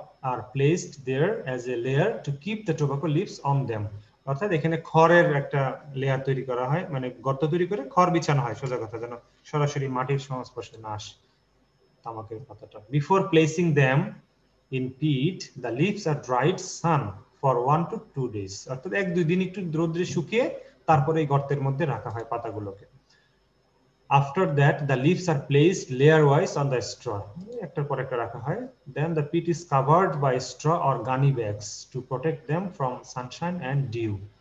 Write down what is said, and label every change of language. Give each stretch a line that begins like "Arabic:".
English: are placed there as a layer to keep the tobacco leaves on them.
Bangla: অর্থাৎ এখানে খড়ের একটা layer তৈরি করা হয়, মানে গর্ত তৈরি করে খড় বিছানো হয় সোজা কথা, যেন সরাসরি মাটির সংস্পর্শে না আসে তামাকের পাতাটা।
English: before placing them in pit the leaves are dried sun for 1 to 2 days,
Bangla: অর্থাৎ এক দুই দিন একটু রোদ্রে শুকিয়ে তারপরে এই গর্তের মধ্যে রাখা হয় পাতাগুলোকে।
English: After that, the leaves are placed layer-wise on the straw.
Bangla: একটার পর একটা রাখা হয়।
English: Then the pit is covered by straw or gunny bags to protect them from sunshine and dew.